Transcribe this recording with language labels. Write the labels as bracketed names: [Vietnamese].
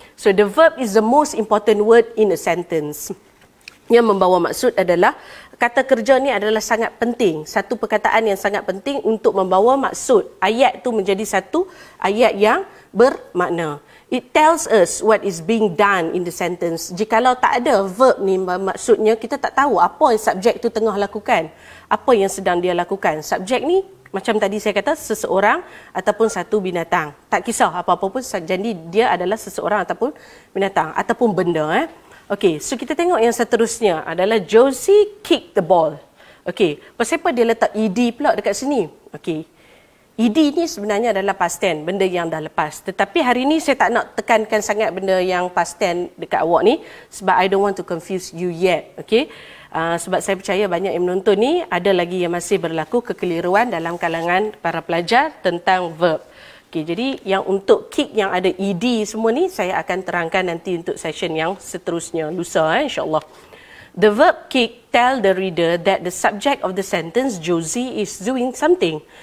[English] So the verb is the most important word in a sentence. [Malay] Yang membawa maksud adalah kata kerja ni adalah sangat penting. Satu perkataan yang sangat penting untuk membawa maksud. Ayat tu menjadi satu ayat yang bermakna. [English] It tells us what is being done in the sentence. [Malay] Jikalau tak ada verb ni, maksudnya kita tak tahu apa yang subjek tu tengah lakukan. Apa yang sedang dia lakukan. Subjek ni, macam tadi saya kata, seseorang ataupun satu binatang. Tak kisah apa-apa pun, jadi dia adalah seseorang ataupun binatang. Ataupun benda. Eh. Okay, so kita tengok yang seterusnya adalah [English] Josie kicked the ball. [Malay] Okay, pasal apa dia letak ED pula dekat sini? Okay. ED ni sebenarnya adalah past tense, benda yang dah lepas. Tetapi hari ni saya tak nak tekankan sangat benda yang past tense dekat awak ni sebab [English] I don't want to confuse you yet. [Malay] Okay? Sebab saya percaya banyak yang menonton ni ada lagi yang masih berlaku kekeliruan dalam kalangan para pelajar tentang verb. Okay, jadi yang untuk kick yang ada ED semua ni saya akan terangkan nanti untuk session yang seterusnya lusa insyaAllah. [English] The verb kick tell the reader that the subject of the sentence Josie is doing something.